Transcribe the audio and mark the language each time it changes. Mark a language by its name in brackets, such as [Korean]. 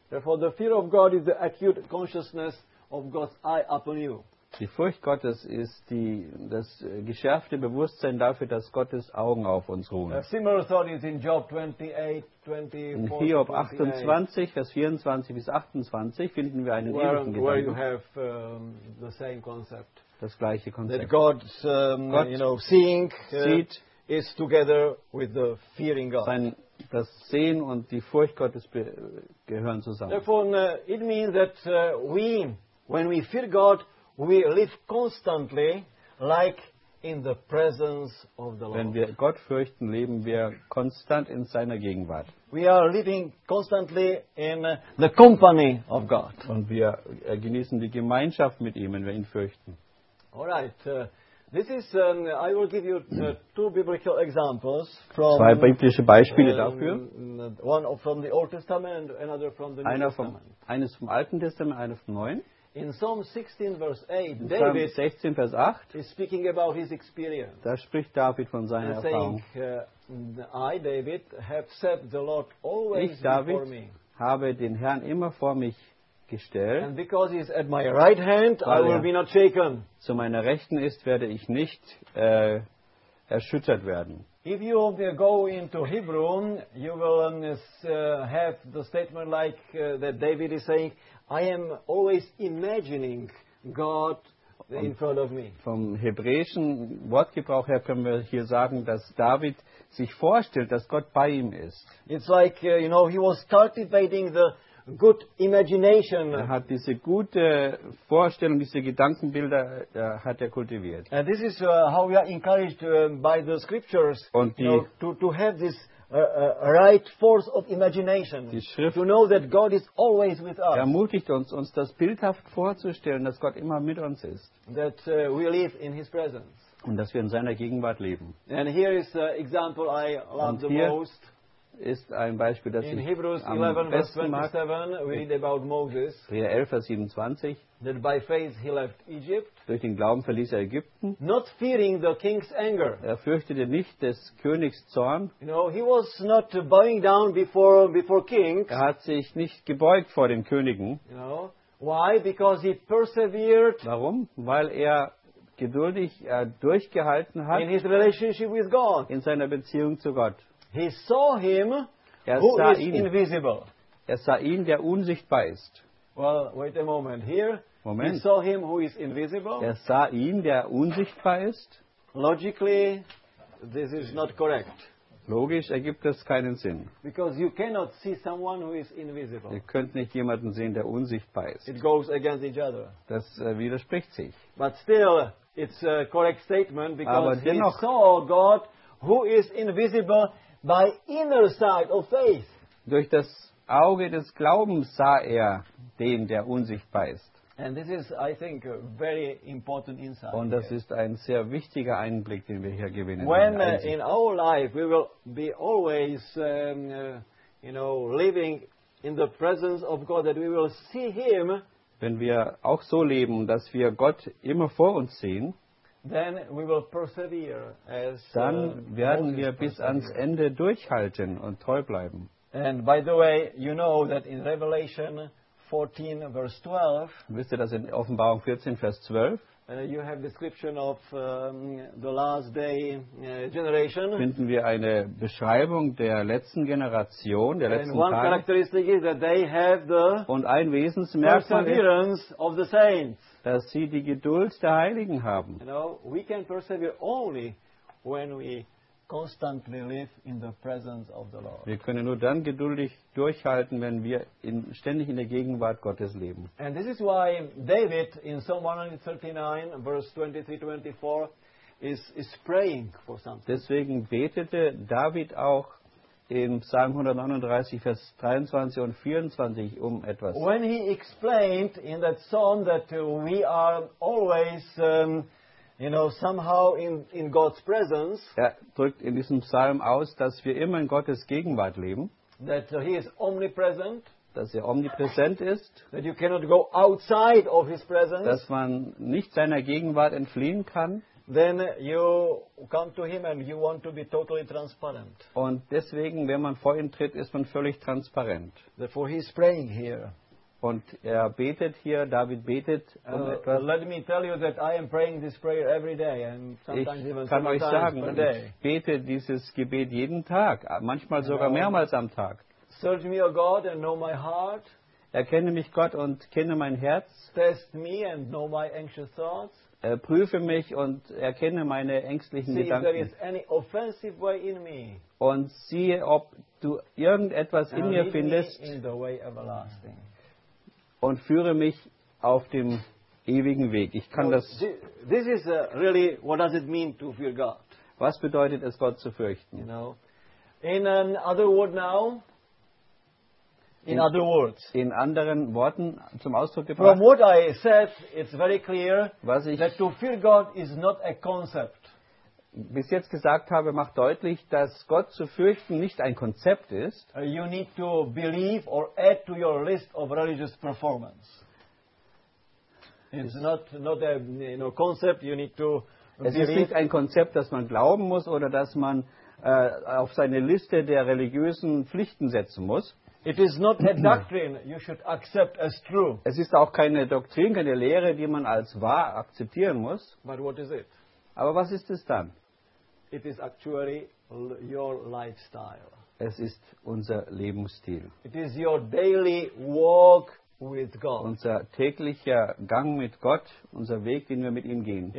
[English] Therefore, the fear of God is the acute consciousness of God's eye upon you. [German] Die Furcht Gottes ist das geschärfte Bewusstsein dafür, dass Gottes Augen auf uns ruhen. [English] Similar thought is in Job 28, 24. [German] In Hiob 28, Vers 24 bis 28 finden wir einen ähnlichen Gedanken. [English] Where you have the same concept. [German] Das gleiche Konzept. [English] That God's Gott, you know, seeing [German] sieht, [English] is together with the fearing God. [German] Das Sehen und die Furcht Gottes gehören zusammen. [English] Therefore, it means that we, when we fear God, we live constantly like in the presence of the Lord. [German] Wenn wir Gott fürchten, leben wir konstant in seiner Gegenwart. [English] We are living constantly in the company of God. [German] Und wir genießen die Gemeinschaft mit ihm, wenn wir ihn fürchten. [English] All right. This is I will give you two biblical examples [German] from zwei biblische Beispiele dafür. [English] One from the Old Testament and another from the New Testament. [German] Eines vom Alten Testament, eines vom Neuen. [English] In Psalm 16, verse 8, David [German] 16, Vers 8, [English] is speaking about his experience. [German] Da spricht David von seiner [English] saying, [German] Erfahrung. [English] I, David, have set the Lord always [German] ich, David, [English] before me. [German] Habe den Herrn immer vor mich gestellt. [English] And because he is at my right hand, I will be not shaken. [German] Zu meiner Rechten ist, werde ich nicht erschüttert werden. [English] If you go into Hebrew, you will have the statement like that David is saying, I am always imagining God in front of me. [German] Vom hebräischen Wortgebrauch her können wir hier sagen, dass David sich vorstellt, dass Gott bei ihm ist. [English] It's like, you know, he was cultivating the good imagination. [German] Er hat diese gute Vorstellung, diese Gedankenbilder hat er kultiviert. [English] And this is how we are encouraged by the scriptures, [German] und die, [English] you know, to have this right force of imagination. [German] Die Schrift, [English] to know that God is always with us. [German] Ermutigt uns das bildhaft vorzustellen, dass Gott immer mit uns ist. [English] That we live in his presence. [German] Und dass wir in seiner Gegenwart leben. [English] And here is an example I love the most. [German] Ist ein Beispiel, das [English] in Hebrews 11, verse 27, we read about Moses. [German] Hebräer 11, Vers 27. [English] That by faith he left Egypt. [German] Durch den Glauben verließ er Ägypten. [English] Not fearing the king's anger. [German] Er fürchtete nicht des Königs Zorn. [English] You know, he was not bowing down before kings. [German] Er hat sich nicht gebeugt vor den Königen. [English] You know, why? Because he persevered. [German] Warum? Weil er geduldig durchgehalten hat. [English] In his relationship with God. [German] In seiner Beziehung zu Gott. [English] He saw him who is invisible. [German] Er sah ihn, der unsichtbar ist. [English] Well, wait a moment here. [German] Moment. [English] He saw him who is invisible. [German] Er sah ihn, der unsichtbar ist. [English] Logically, this is not correct. [German] Logisch ergibt das keinen Sinn. [English] Because you cannot see someone who is invisible. [German] Ihr könnt nicht jemanden sehen, der unsichtbar ist. [English] It goes against each other. [German] Das widerspricht sich. [English] But still, it's a correct statement because [German] dennoch, [English] he saw God who is invisible. By inner sight of faith. [German] Durch das Auge des Glaubens sah er den, der unsichtbar ist. [English] And this is, I think, a very important insight. [German] Und das ist ein sehr wichtiger Einblick, den wir hier gewinnen. [English] When in our life we will be always, you know, living in the presence of God, that we will see Him. [German] Wenn wir auch so leben, dass wir Gott immer vor uns sehen. [English] Then we will persevere as [German] dann werden wir bis ans Ende durchhalten und treu bleiben. [English] And by the way, you know that in Revelation 14, verse 12, [German] wisst ihr, dass in Offenbarung 14, Vers 12, [English] you have description of the last day generation. [German] Finden wir eine Beschreibung der letzten Generation, der [English] and [German] letzten [English] one [German] Tage. [English] Characteristic is that they have the [German] und ein Wesensmerkmal [English] perseverance of the saints. [German] Dass sie die Geduld der Heiligen haben. [English] You know, we can persevere only when we constantly live in the presence of the Lord. [German] Wir können nur dann geduldig durchhalten, wenn wir ständig in der Gegenwart Gottes leben. [English] And this is why David in Psalm 139, verse 23-24, is praying for something. [German] Deswegen betete David auch in Psalm 139, Vers 23 und 24 um etwas. [English] When he explained in that psalm that we are always, you know, somehow in God's presence. [German] Er drückt in diesem Psalm aus, dass wir immer in Gottes Gegenwart leben. [English] That he is omnipresent. [German] dass er omnipräsent ist. [English] That you cannot go outside of his presence. [German] Dass man nicht seiner Gegenwart entfliehen kann. [English] Then you come to him and you want to be totally transparent. [German] Und deswegen, wenn man vor ihm tritt, ist man völlig transparent. [English] Therefore he is praying here. [German] Und er betet hier, David betet. [English] Let me tell you that I am praying this prayer every day and sometimes even sometimes [German] euch sagen, [English] per day. [German] Ich bete dieses Gebet jeden Tag, manchmal sogar mehrmals am Tag. [English] Search me, O God, and know my heart. [German] Erkenne mich, Gott, und kenne mein Herz. [English] Test me and know my anxious thoughts. [German] Prüfe mich und erkenne meine ängstlichen [English] See, [German] Gedanken. [English] If there is any offensive way in me. [German] Und siehe, ob du irgendetwas [English] and [German] in mir findest. [English] Me in the way everlasting. [German] Und führe mich auf dem ewigen Weg. Ich kann das. [English] This is really what does it mean to fear God? [German] Was bedeutet es, Gott zu fürchten? [English] You know, in another word now. In other words. [German] In anderen Worten zum Ausdruck gebracht. [English] From what I said, it's very clear that to fear God is not a concept. [German] Bis jetzt gesagt habe, macht deutlich, dass Gott zu fürchten nicht ein Konzept ist. [English] You need to believe or add to your list of religious performance. It's not a concept. You need to believe. [German] Es ist nicht ein Konzept, dass man glauben muss oder dass man auf seine Liste der religiösen Pflichten setzen muss. [English] It is not a doctrine you should accept as true. [German] Es ist auch keine Doktrin, keine Lehre, die man als wahr akzeptieren muss. [English] But what is it? [German] Aber was ist es dann? [English] It is actually your lifestyle. [German] Es ist unser Lebensstil. [English] It is your daily walk with God. [German] Unser täglicher Gang mit Gott, unser Weg, den wir mit ihm gehen.